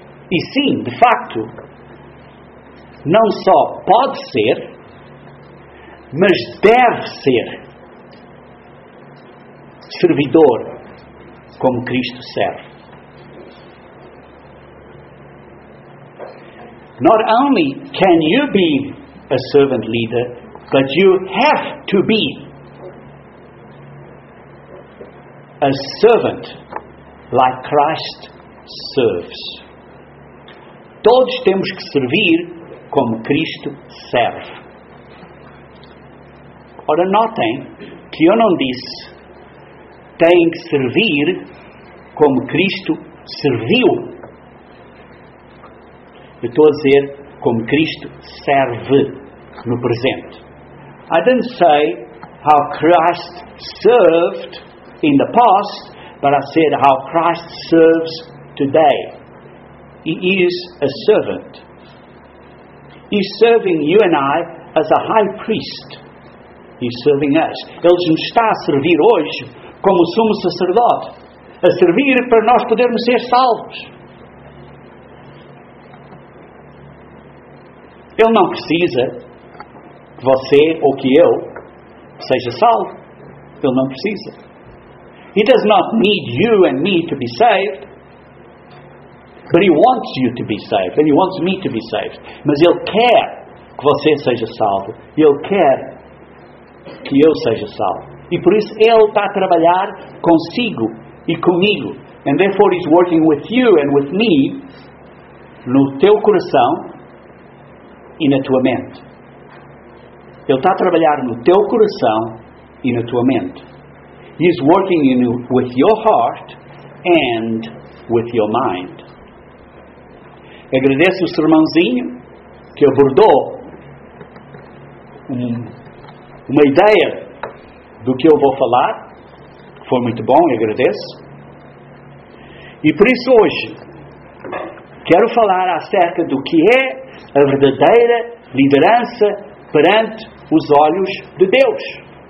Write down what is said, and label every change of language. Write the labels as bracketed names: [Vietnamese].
[Portuguese] E sim, de facto, não só pode ser, mas deve ser servidor como Cristo serve. [English] Not only can you be a servant leader, but you have to be. a servant like Christ serves. [Portuguese] Todos temos que servir como Cristo serve. Ora, notem que eu não disse têm que servir como Cristo serviu. Eu estou a dizer como Cristo serve no presente. [English] I didn't say how Christ served in the past, but I said how Christ serves today. He is a servant. He's serving you and I as a high priest. He's serving us. [Portuguese] Ele nos está a servir hoje como sumo sacerdote, a servir para nós podermos ser salvos. Ele não precisa que você ou que eu seja salvo. Ele não precisa. [English] He does not need you and me to be saved, but he wants you to be saved, and he wants me to be saved. [Portuguese] Mas ele quer que você seja salvo. Ele quer que eu seja salvo. E por isso ele está a trabalhar consigo e comigo. [English] And therefore he's working with you and with me, [Portuguese] no teu coração e na tua mente. Ele está a trabalhar no teu coração e na tua mente. [English] He's working in you with your heart and with your mind. [Portuguese] Agradeço o sermãozinho que abordou uma ideia do que eu vou falar. Foi muito bom, agradeço. E por isso hoje quero falar acerca do que é a verdadeira liderança perante os olhos de Deus.